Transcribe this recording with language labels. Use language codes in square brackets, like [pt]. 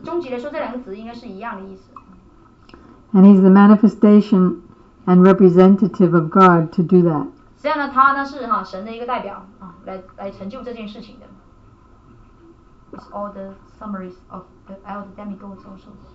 [en] And he's the manifestation and representative of God to do that. [zh] 实际上呢，他呢是哈神的一个代表啊，来成就这件事情的。 [en] It's all the summaries of the elder demigods also.